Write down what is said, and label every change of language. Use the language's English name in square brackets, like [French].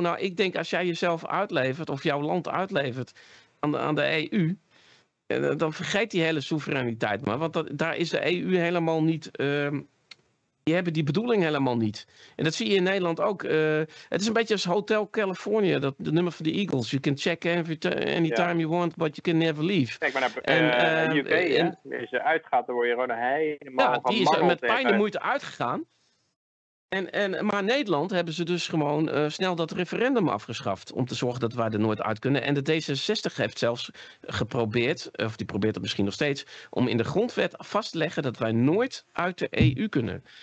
[Dutch] Nou, ik denk als jij jezelf uitlevert of jouw land uitlevert aan de EU... Dan vergeet die hele soevereiniteit maar. Want daar is de EU helemaal niet... die hebben die bedoeling helemaal niet. En dat zie je in Nederland ook. Het is een beetje als Hotel California. De nummer van de Eagles. [English] You can check anytime you want, but you can never leave. [Dutch] Kijk maar naar UK. Als je uitgaat, dan word je gewoon helemaal... Ja, die is met pijn en moeite uitgegaan. Maar Nederland hebben ze dus gewoon snel dat referendum afgeschaft. Om te zorgen dat wij er nooit uit kunnen. En de D66 heeft zelfs geprobeerd, of die probeert het misschien nog steeds, om in de grondwet vast te leggen dat wij nooit uit de EU kunnen.